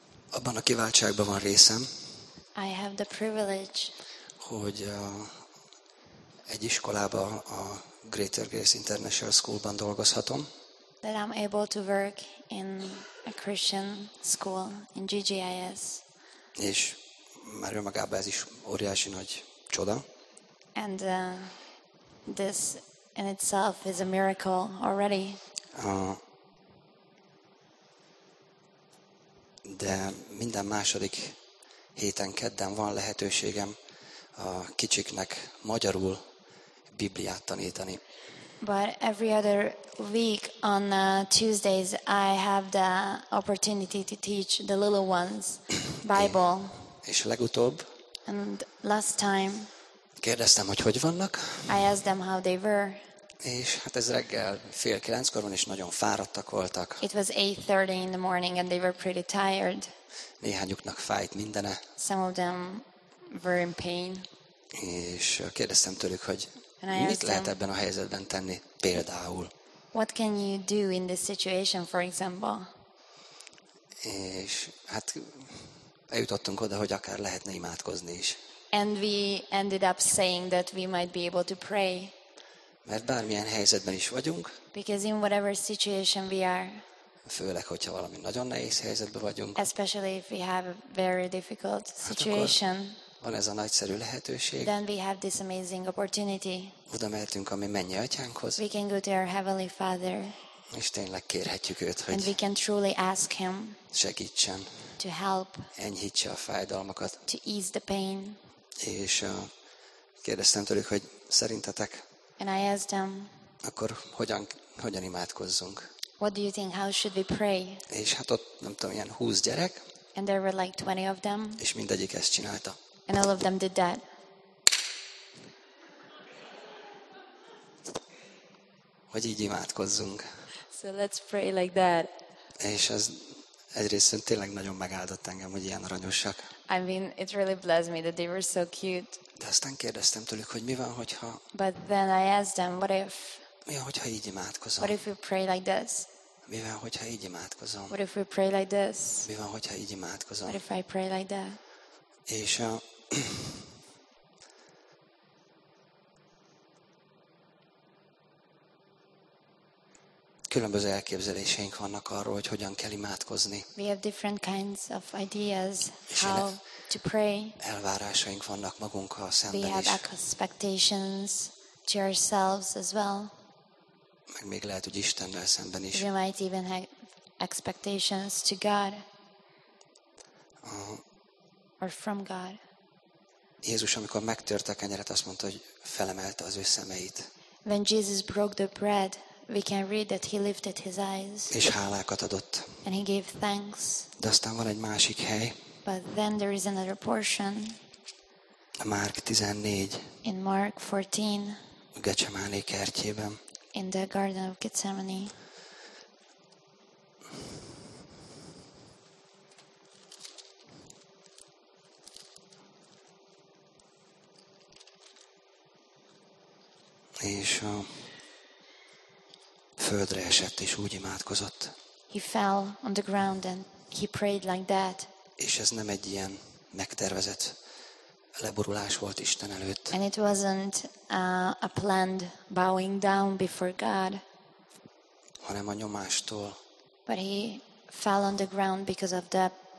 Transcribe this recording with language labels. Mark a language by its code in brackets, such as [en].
[hu] Abban a kiváltságban van részem, [en] I have the privilege, [hu] hogy egy iskolába, a Greater Grace International Schoolban dolgozhatom. [en] That I'm able to work in a Christian school in GGIS. [hu] És már önmagában ez is óriási nagy csoda. [en] And this in itself is a miracle already. [hu] De minden második héten kedden van lehetőségem a kicsiknek magyarul Bibliát tanítani. [en] But every other week on Tuesdays I have the opportunity to teach the little ones Bible. [hu] És legutóbb. [en] And last time. [hu] Kérdeztem, hogy vannak. [en] I asked them how they were. [hu] És hát ez reggel 8:30-kor van, és nagyon fáradtak voltak. [en] It was 8:30 in the morning and they were pretty tired. [hu] Néhányuknak fájt mindene. [en] Some of them were in pain. [hu] És kérdeztem tőlük, hogy mit lehet ebben a helyzetben tenni, például? [en] What can you do in this situation, for example? [hu] És hát eljutottunk oda, hogy akár lehetne imádkozni is. [en] And we ended up saying that we might be able to pray. [hu] Mert bármilyen helyzetben is vagyunk. [en] Because in whatever situation we are. [hu] Főleg, hogyha valami nagyon nehéz helyzetben vagyunk. [en] Especially if we have a very difficult situation. [hu] Hát van ez a nagyszerű lehetőség. [en] Then we have this amazing opportunity. [hu] Oda mehetünk a mi mennyi atyánkhoz. [en] We can go to our heavenly father. [hu] És tényleg kérhetjük őt, hogy [en] and we can truly ask him [hu] segítsen. [en] To help. [hu] Enyhítse a fájdalmakat. [en] To ease the pain. [hu] És kérdeztem tőlük, hogy szerintetek [en] and I asked them, [hu] akkor hogyan imádkozzunk? [en] What do you think, how should we pray? [hu] És hát ott, nem tudom, ilyen 20 gyerek. [en] And there were like 20 of them. [hu] És mindegyik ezt csinálta. [en] And all of them did that. [hu] Hogy így imádkozzunk. [en] So let's pray like that. [hu] És ez egyrészt tényleg nagyon megáldott engem, hogy ilyen aranyosak. [en] I mean, it really blessed me that they were so cute. [hu] De aztán kérdeztem tőlük, hogy mi van, hogyha [en] but then I asked them, what if [hu] mi van, hogyha így imádkozom? [en] What if we pray like this? [hu] Mi van, hogyha így imádkozom? [en] What if we pray like this? [hu] Mi van, hogyha így imádkozom? [en] What if I pray like that? [hu] És különböző elképzeléseink vannak arról, hogy hogyan kell imádkozni. [en] We have different kinds of ideas how to pray. [hu] Elvárásaink vannak magunkkal szemben [en] is. We have expectations to ourselves as well. [hu] Meg még lehet, hogy Istennel szemben is. [en] We might even have expectations to God. Or from God. [hu] Jézus, amikor megtörte a kenyeret, azt mondta, hogy felemelte az ő szemeit. [en] When Jesus broke the bread, we can read that he lifted his eyes. [hu] És hálákat adott. [en] And he gave thanks. [hu] De aztán van egy másik hely. [en] But then there is another portion. [hu] A Márk 14. [en] In Mark 14. [hu] A Getsemáné kertjében. [en] In the Garden of Gethsemane. [hu] És a földre esett és úgy imádkozott. [en] He fell on the ground and he prayed like that. [hu] És ez nem egy ilyen megtervezett leborulás volt Isten előtt. [en] And it wasn't a planned bowing down before God. [hu] Hanem a nyomástól. [en] But he fell on the ground because of the